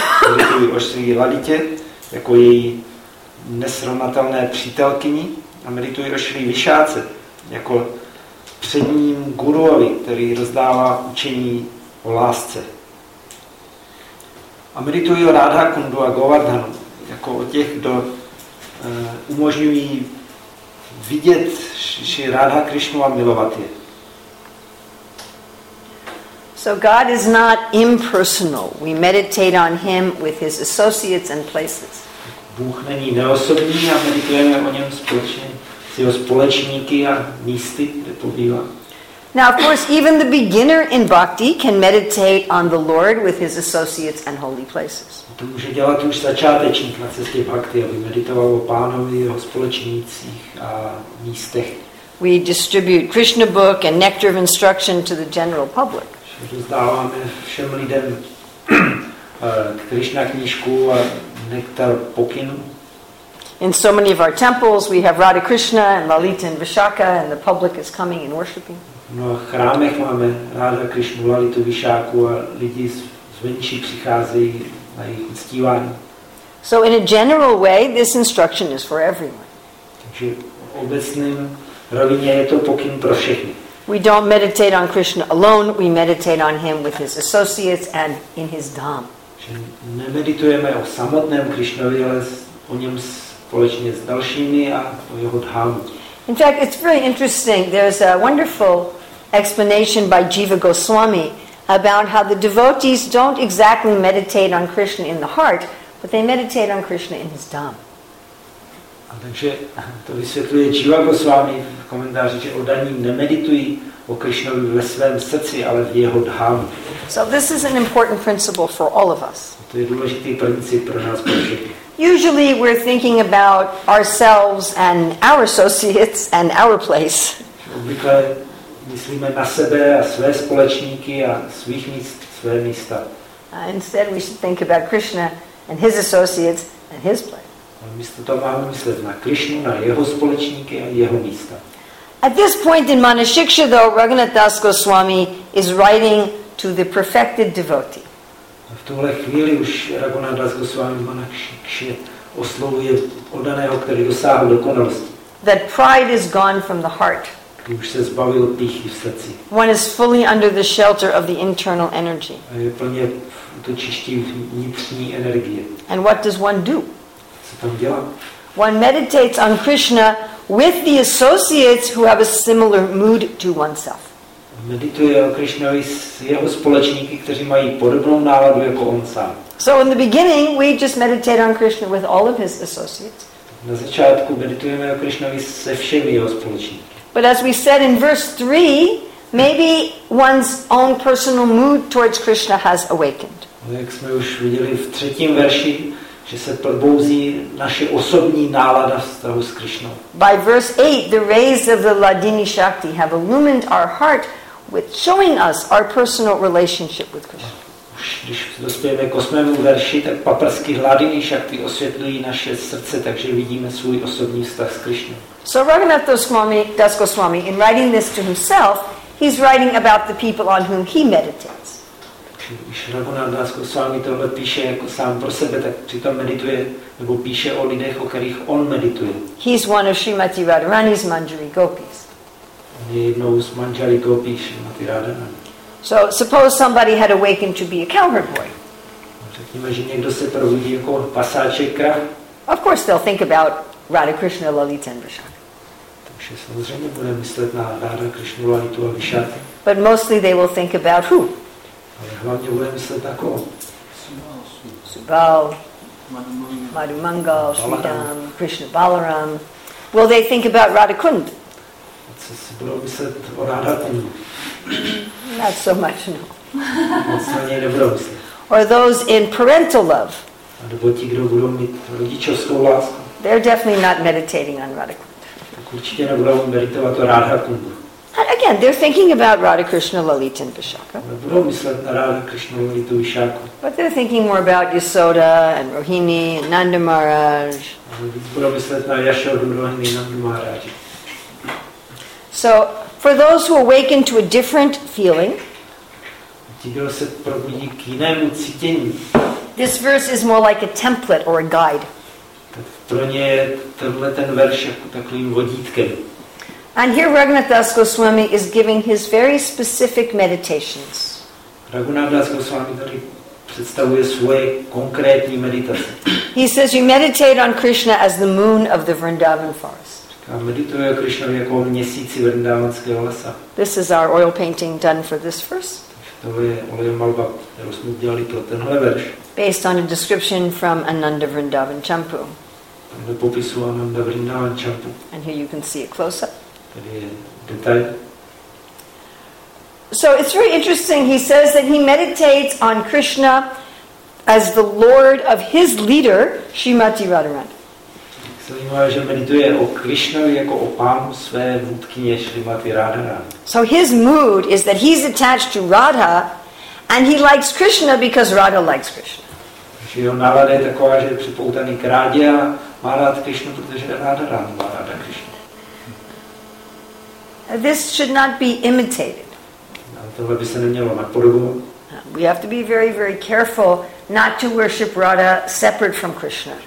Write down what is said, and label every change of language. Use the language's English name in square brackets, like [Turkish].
[Czech] Medituji o Šri Laditě jako její nesrovnatelné přítelkyni a medituji o Šri Vyšáce jako předním guruovi, který rozdává učení o lásce. a meditují o Radha Kundu a Govardhanu, jako o těch, kdo umožňují vidět Shri Radha Krishnu a milovat je. [English] So God is not impersonal. We meditate on him with his associates and places. [Czech] Bůh není neosobní a meditujeme o něm společně s jeho společníky a místy, kde pobývá. [English] Now, of course, even the beginner in bhakti can meditate on the Lord with his associates and holy places. [Czech] To může dělat už začátečník na cestě bhakti, aby meditoval o pánovi, jeho společnících a místech. [English] We distribute Krishna book and nectar of instruction to the general public. [Czech] Rozdáváme všem lidem Krishna knížku a nektar pokynů. [English] In so many of our temples, we have Radha Krishna and Lalita and Vishakha, and the public is coming and worshiping. [Czech] No, v chrámech máme Radha Krishnu, Lalitu, Vishakhu a lidi zvenčí přicházejí na jejich uctívání. [English] So in a general way, this instruction is for everyone. [Czech] Takže v obecném rovině je to pokyn pro všechny. [English] We don't meditate on Krishna alone, we meditate on him with his associates and in his dham. [Czech] Že nemeditujeme o samotném Krishnovi, ale o něm společně s dalšími a o jeho dhámu. [English] In fact, it's very interesting. There's a wonderful explanation by Jiva Goswami about how the devotees don't exactly meditate on Krishna in the heart, but they meditate on Krishna in his dham. [Czech] A takže to vysvětluje Jiva Goswami v komentáři, že oddaní nemeditují o Krishnovi ve svém srdci, ale v jeho dhámu. [English] So this is an important principle for all of us. [Czech] To je důležitý princip pro nás všechny. [English] Usually we're thinking about ourselves and our associates and our place. [Czech] Obvykle myslíme na sebe a své společníky a svých míst, své místa. [English] Instead we should think about Krishna and his associates and his place. [Czech] Ale místo toho máme myslet na Krishnu, na jeho společníky a jeho místa. [English] At this point in Manashiksha though, Raghunath Das Goswami is writing to the perfected devotee. [Czech] V tuhle chvíli už Raghunath Das Goswami Manashiksha oslovuje oddaného, který dosáhl dokonalosti. [English] That pride is gone from the heart. [Czech] Kdy už se zbavil pýchy v srdci. [English] One is fully under the shelter of the internal energy. [Czech] A je plně v útočišti vnitřní energie. [English] And what does one do? [Czech] Co tam dělá? [English] One meditates on Krishna with the associates who have a similar mood to oneself. [Czech] Medituje o Krishnovi s jeho společníky, kteří mají podobnou náladu jako on sám. [English] So in the beginning we just meditate on Krishna with all of his associates. [Czech] Na začátku meditujeme o Krishnovi se všemi jeho společníky. [English] But as we said in verse 3, maybe one's own personal mood towards Krishna has awakened. [Czech] No, jak jsme už viděli v třetím verši, že se probouzí naše osobní nálada vztahu s Krishnou. [English] By verse 8, the rays of the Ladini Shakti have illumined our heart with showing us our personal relationship with Krishna. [Czech] Už když dospějeme k osmému verši, tak paprsky Ladini Shakti osvětlují naše srdce, takže vidíme svůj osobní vztah s Krishnou. [English] So Raghunath Das Goswami, in writing this to himself, he's writing about the people on whom he meditates. [Czech] Když Raghunath Das Goswami tohle píše jako sám pro sebe, tak přitom medituje nebo píše o lidech, o kterých on medituje. [English] He's one of Srimati Radharani's Manjari Gopis. [Czech] On je jednou z Manjari Gopis Srimati Radharani. [English] So suppose somebody had awakened to be a cowherd boy. [Czech] Řekněme, že někdo se probudí jako pasáček krav. [English] Of course they'll think about Radha Krishna, Lalita and Vishakha. [Czech] Takže samozřejmě bude myslet na Radha Krishna, Lalitu a Vishakha. [English] But mostly they will think about who? [Czech] Ale hlavně budeme myslet na koho? [English] Subal, Madhumangal, Sridham, Krishna Balaram. Will they think about Radha Kund? [Czech] Co si budou myslet o Radha Kund? [English] Not so much, no. [Czech] Moc na něj nebudou myslet. [English] Or those in parental love. [Czech] A nebo ti, kdo budou mít rodičovskou lásku. [English] They're definitely not meditating on Radha Kund. [Czech] Tak určitě nebudou meditovat o Radha Kund. [English] And again, they're thinking about Radha Krishna, Lalita and Vishakha. [Czech] Budou myslet na Radha Krishna, Lalitu, Vishakhu. [English] But they're thinking more about Yasoda and Rohini and Nanda Maharaj. [Czech] Budou myslet na Yashodu, Rohini and Nanda Maharaj. [English] So, for those who awaken to a different feeling, [Czech] ti, kdo se probudí k jinému cítění, [English] this verse is more like a template or a guide. [Czech] Pro ně je tenhle ten verš jako takovým vodítkem. [English] And here Raghunath Das Goswami is giving his very specific meditations. [Czech] Raghunath Das Goswami tady představuje svoje konkrétní meditace. [English] He says you meditate on Krishna as the moon of the Vrindavan forest. [Czech] Říká, medituje o Krishnovi jako o měsíci vrindavanského lesa. [English] This is our oil painting done for this verse. [Czech] To je olejová malba, kterou jsme udělali pro tenhle verš. [English] Based on a description from Ananda Vrindavan Champu. [Czech] Tady popisu Ananda Vrindavan Champu. [English] And here you can see a close up. [Czech] Tady je detail. [English] So it's very interesting. He says that he meditates on Krishna as the Lord of his leader, Srimati Radharani. [Czech] Zajímavé, že medituje o Krishnovi jako o pánu své vůdkyně Srimati Radharani. [English] So his mood is that he's attached to Radha and he likes Krishna because Radha likes Krishna. [Czech] Takže jeho nálada je taková, že je připoutaný k Rádě a má rád Krishnu, protože Radharani má ráda Krishnu. [English] This should not be imitated. [Czech] Tohle by se nemělo napodobovat. [English] We have to be very, very careful not to worship Radha separate from Krishna.